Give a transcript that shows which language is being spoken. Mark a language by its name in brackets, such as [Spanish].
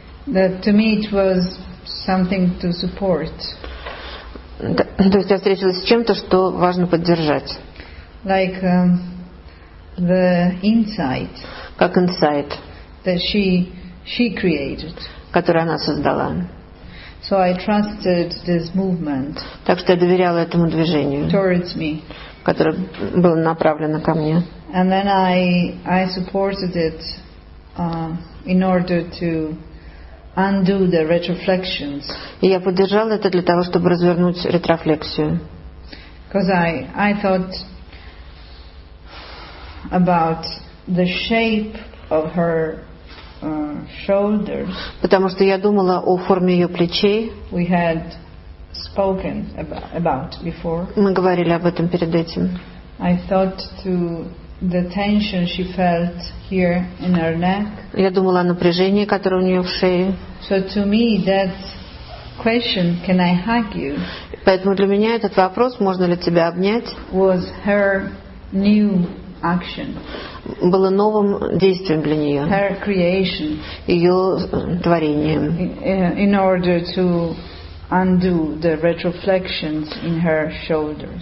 [English] That to me it was something to support. [Russian] То есть я встретилась с чем-то, что важно поддержать. [English] Like the insight. [Russian] Как insight. [English] That she created. [Russian] Которую она создала. [English] So I trusted this movement. [Russian] Так что я доверяла этому движению. [English] Towards me. [Russian] Которое было направлено ко мне. [English] And then I supported it in order to undo the retroflexions. [Russian] И я поддержала это для того, чтобы развернуть ретрофлексию. [English] Because I thought about the shape of her shoulders. [Russian] Потому что я думала о форме ее плечей. [English] We had spoken about before. [Russian] Мы говорили об этом перед этим. [English] I thought to the tension she felt here in her neck. [Russian] Я думала о напряжении, которое у нее в шее. [English] So to me that question, can I hug you? [Russian] Поэтому для меня этот вопрос, можно ли тебя обнять? [English] Was her new action. [Russian] Было новым действием для нее. [English] Her creation. [Russian] Ее творением. [English] In order to undo the retroflections in her shoulders.